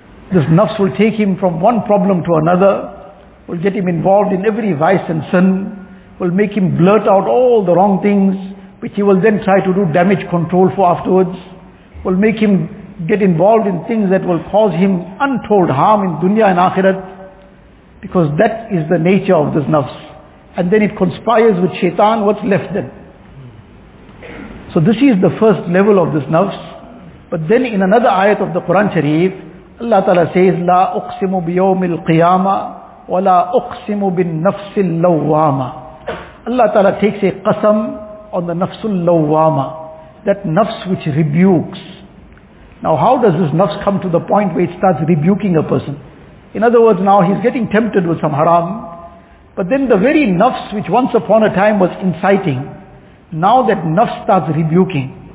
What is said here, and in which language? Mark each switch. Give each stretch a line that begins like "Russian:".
English: This nafs will take him from one problem to another, will get him involved in every vice and sin, will make him blurt out all the wrong things, which he will then try to do damage control for afterwards, will make him get involved in things that will cause him untold harm in dunya and akhirat. Because that is the nature of this nafs. And then it conspires with shaitan, what's left then? So this is the first level of this nafs. But then in another ayat of the Quran Sharif, Allah Ta'ala says,
Arabic: لا أقسم بيوم القيامة ولا أقسم بالنفس اللوامة.
English: Allah Ta'ala takes a qasam on the nafs اللوامة, that nafs which rebukes. Now how does this nafs come to the point where it starts rebuking a person? In other words, now he's getting tempted with some haram, but then the very nafs which once upon a time was inciting, now that nafs starts rebuking.